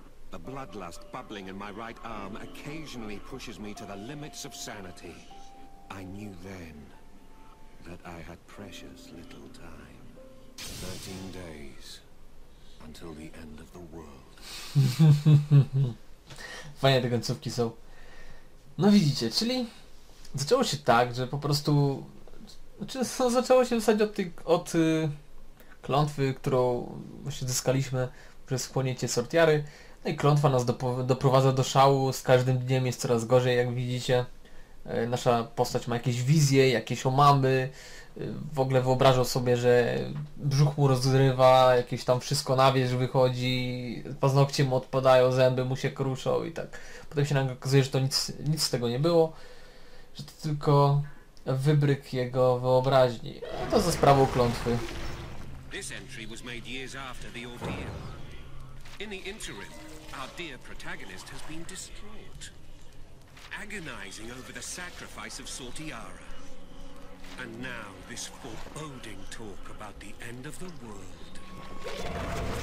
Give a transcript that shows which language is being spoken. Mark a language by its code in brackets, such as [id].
[en] The bloodlust bubbling in my right arm occasionally pushes me to the limits of sanity. I knew then that I had precious little time. 13 days until the end of the world. [pl] Fajne te końcówki są. No widzicie, czyli... Zaczęło się tak, że po prostu... Znaczy, zaczęło się w zasadzie od klątwy, którą właśnie zyskaliśmy przez wchłonięcie Sortiary. No i klątwa nas doprowadza do szału, z każdym dniem jest coraz gorzej, jak widzicie. Nasza postać ma jakieś wizje, jakieś omamy, w ogóle wyobrażał sobie, że brzuch mu rozrywa, jakieś tam wszystko na wierzch wychodzi, paznokcie mu odpadają, zęby mu się kruszą i tak. Potem się nam okazuje, że to nic z tego nie było, że to tylko wybryk jego wyobraźni. A to za sprawą klątwy. [en] This entry was made years after the ordeal. In the interim, our dear protagonist has been distraught, agonizing over the sacrifice of Sortiara. And now this foreboding talk about the end of the world.